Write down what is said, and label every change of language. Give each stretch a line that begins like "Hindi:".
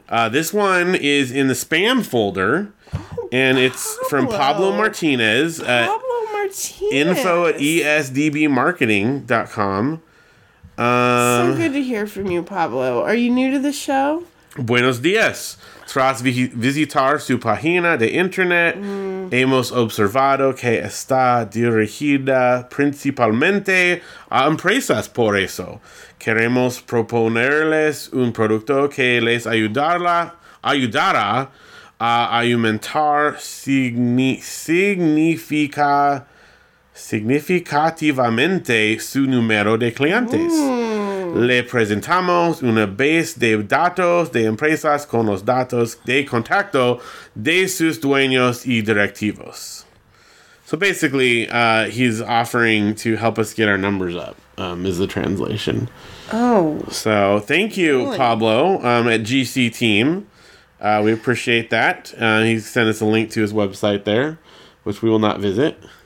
English: This one is in the spam folder, and it's from Pablo Martinez. Info at esdbmarketing.com. So good to hear from you, Pablo. Are you new to the show?
Spanish: Buenos dias. Tras visitar su página de internet, hemos observado que está dirigida principalmente a empresas. Por eso, queremos proponerles un producto que les ayudará a aumentar significativamente su número de clientes. Le presentamos una base de datos de empresas con los datos de contacto de sus dueños y directivos.
English: So basically, he's offering to help us get our numbers up, is the translation. Oh. So thank you, really? Pablo, at GC Team. We appreciate that. He sent us a link to his website there, which we will not visit.